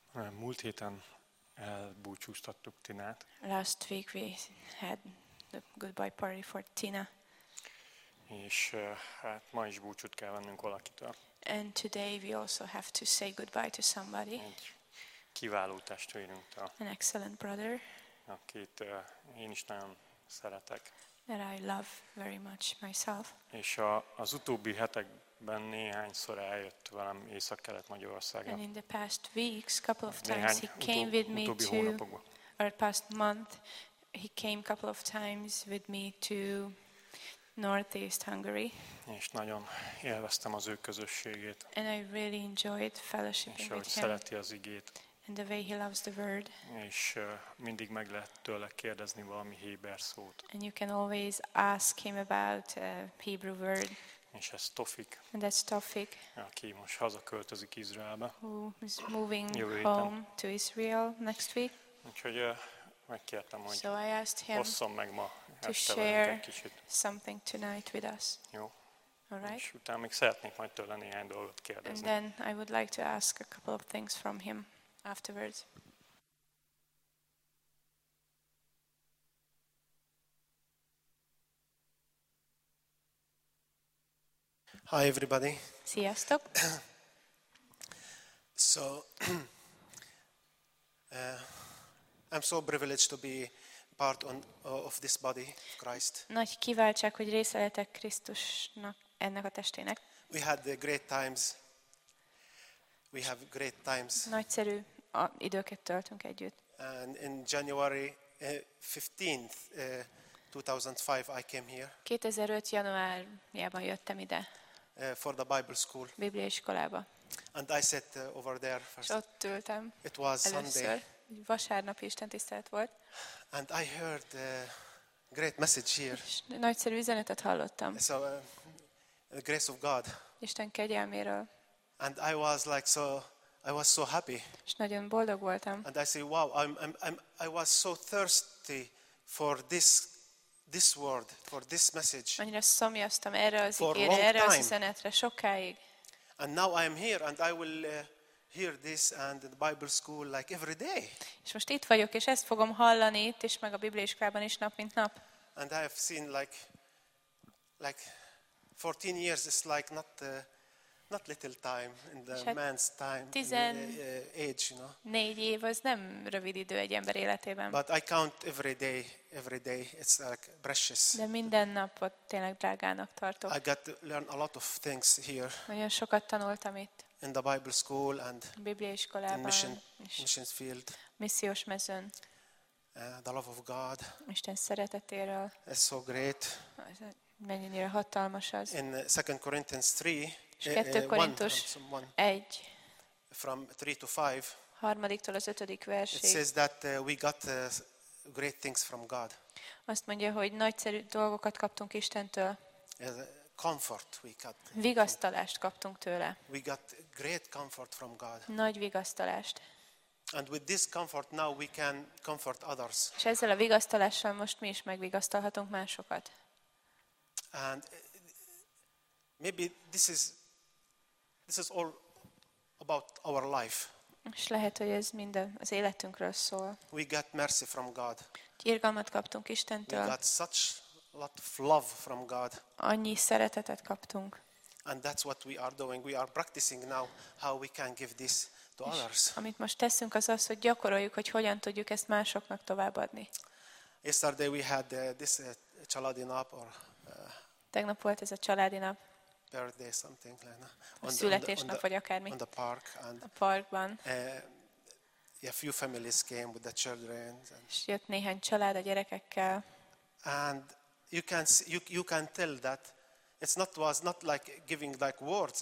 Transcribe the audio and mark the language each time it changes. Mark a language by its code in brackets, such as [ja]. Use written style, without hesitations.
[hu] Múlt héten elbúcsúztattuk Tinát. [en] Last week we had the goodbye party for Tina. [hu] És hát ma is búcsút kell vennünk valakitől. [en] And today we also have to say goodbye to somebody. [hu] Egy kiváló testvérünktől. [en] An excellent brother. [hu] Akit én is nagyon szeretek. [en] That I love very much myself. [hu] És az utóbbi hetek ben néhányszor eljött velem Észak-Kelet-Magyarországra. [en] And in the past weeks, couple of times he came with me to, or past month, he came couple of times with me to Northeast Hungary. [hu] És nagyon élveztem az ő közösségét. [en] And I really enjoyed fellowshiping with him. [hu] És ahogy szereti az igét. [en] And the way he loves the word. [hu] És mindig meg lehet tőle kérdezni valami héber szót. [en] And you can always ask him about a Hebrew word. [hu] És ez Tofik. [en] And that's Tofik. [hu] Aki most hazaköltözik Izraelbe. [en] Who is moving home to Israel next week. [hu] Úgyhogy megkértem, hogy [en] so I asked him [hu] osszom meg ma [en] to share something tonight with us. [hu] Jó. [en] All right. [hu] És utána még szeretnék majd tőle néhány dolgot kérdezni. [en] And then I would like to ask a couple of things from him afterwards. Hi everybody. [hu] Sziasztok. [en] So I'm so privileged to be part of this body of Christ. [hu] Nagy kiváltság, hogy része lehetek Krisztusnak, ennek a testének. [en] We had the great times. We have great times. [hu] Nagyszerű időket töltünk együtt. [en] And in January 15th 2005 I came here. [hu] 2005 januárjában jöttem ide. [en] For the Bible school. [hu] Biblia iskolába. [en] And I sat over there first. [hu] S ott ültem. [en] It was [hu] először. [en] Sunday. [hu] Vasárnapi istentisztelet volt. [en] And I heard a great message here. [hu] És nagyszerű üzenetet hallottam. [en] So the grace of God. [hu] Isten kegyelméről. [en] And I was like so I was so happy. [hu] És nagyon boldog voltam. [en] And I say wow, I was so thirsty for this word, for this message. [hu] Annyira szomjaztam erre az igére, erre az üzenetre sokáig. [en] And now I am here and I will hear this and the Bible school like every day. [hu] És most itt vagyok és ezt fogom hallani itt is meg a bibliaiskolában is nap mint nap. [en] And I have seen like 14 years is like not little time in the man's time age, you know. [hu] 4 év az nem rövid idő egy ember életében. [en] But I count every day it's like precious. [hu] De minden napot tényleg drágának tartok. [en] I got to learn a lot of things here. [hu] Nagyon sokat tanultam itt. [en] In the Bible school and [hu] Biblia iskolában. [en] Missions field. [hu] Missziós mezőn. [en] The love of God. [hu] Isten szeretetéről. [en] It's so great. [hu] Mennyire hatalmas az. [en] In 2 Corinthians 3. [hu] És 2 Korintus 1. [en] From 3-5. [hu] Harmadiktól az ötödik versig. [en] It says that we got great things from God. [hu] Azt mondja, hogy nagyszerű dolgokat kaptunk Istentől. [en] Comfort we got. [hu] Vigasztalást kaptunk tőle. [en] We got great comfort from God. [hu] Nagy vigasztalást. [en] And with this comfort now we can comfort others. [hu] És ezzel a vigasztalással most mi is megvigasztalhatunk másokat. [en] And maybe this is all about our life. [hu] És lehet, hogy ez minden az életünkről szól. [en] We got mercy from God. [hu] Irgalmat kaptunk Istentől. [en] We got such lot of love from God. [hu] Annyi szeretetet kaptunk. [en] And that's what we are doing. We are practicing now how we can give this to others. [hu] Amit most teszünk az, hogy gyakoroljuk, hogy hogyan tudjuk ezt másoknak továbbadni. [en] Yesterday we had this [hu] családi nap tegnap volt ez a családi nap. [en] Birthday something like that. [hu] On születésnap vagy akármi. [en] On the park and [hu] a parkban. [en] A few families came with the children. [hu] És jött néhány család a gyerekekkel. [en] And you can tell that it was not like giving like words.